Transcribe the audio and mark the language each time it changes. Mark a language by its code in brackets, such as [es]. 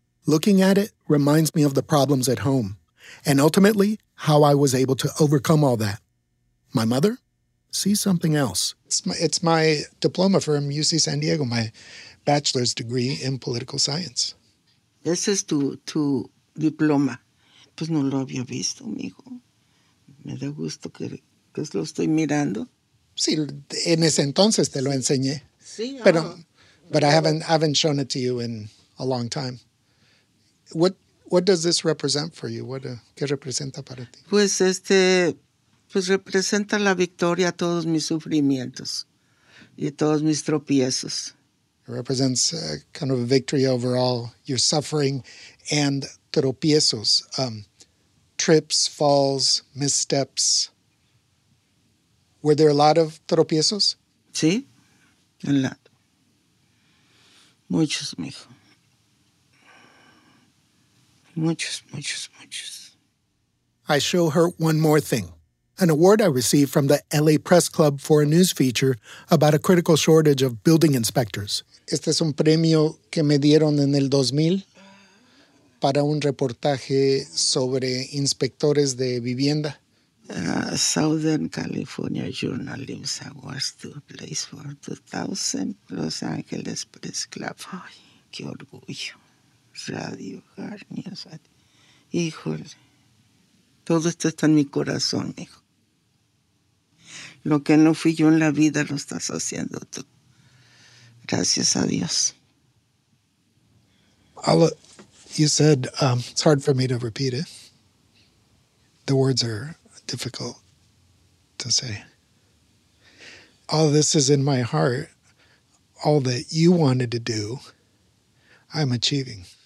[en] Looking at it reminds me of the problems at home, and ultimately, how I was able to overcome all that. My mother sees something else. It's my diploma from UC San Diego, my bachelor's degree in political science. This is tu diploma. [es] Pues no lo había visto, mijo. Me da gusto que lo estoy mirando. Sí, en ese entonces te lo enseñé. Sí, [en] But I haven't shown it to you in a long time. What does this represent for you? [es] ¿Qué representa para ti? Pues pues representa la victoria a todos mis sufrimientos y todos mis tropiezos. [en] It represents kind of a victory over all your suffering and tropiezos, trips, falls, missteps. Were there a lot of tropiezos? [es] Sí, [en] a lot. [es] Muchos, mijo. Muchos, muchos, muchos. [en] I show her one more thing. An award I received from the L.A. Press Club for a news feature about a critical shortage of building inspectors. [es] Este es un premio que me dieron en el 2000 para un reportaje sobre inspectores de vivienda. [en] Southern California Journalism Awards to place for 2000 Los Angeles Press Club. [es] Ay, qué orgullo. Radio Garnia. Híjole. Todo esto está en mi corazón, hijo. Lo que no fui yo en la vida lo estás haciendo tú. Gracias a Dios. [en] Ala, you said, it's hard for me to repeat it. The words are difficult to say. All this is in my heart. All that you wanted to do, I'm achieving.